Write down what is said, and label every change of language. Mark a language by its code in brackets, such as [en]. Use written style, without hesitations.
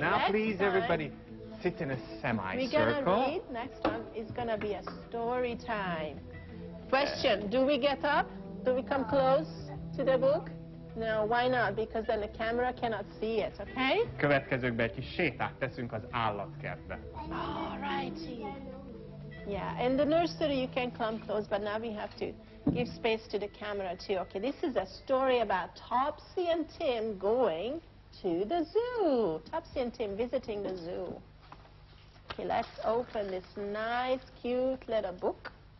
[en] Now, please, everybody, sit in a semicircle. We're gonna read. Next one is gonna be a story time. Question: do we get up? Do we come close to the book? No, why not? Because then the camera cannot see it. Okay. [hu] Következőkben egy kis sétát teszünk az állatkertbe. [en] All righty. Yeah, in the nursery you can come close, but now we have to give space to the camera too. Okay, this is a story about Topsy and Tim going to the zoo. Topsy and Tim visiting the zoo. Okay, let's open this nice, cute little book.